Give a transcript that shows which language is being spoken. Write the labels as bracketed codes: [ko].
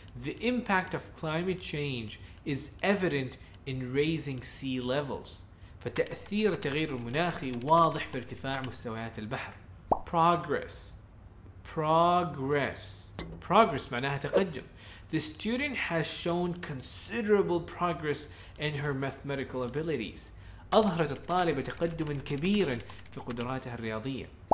[en] The impact of climate change is evident in raising sea levels. [ar] فتأثير التغير المناخي واضح في ارتفاع مستويات البحر. Progress معناها تقدم. [en] The student has shown considerable progress in her mathematical abilities. [ar] أظهرت الطالبة تقدما كبيرا في قدراتها الرياضية.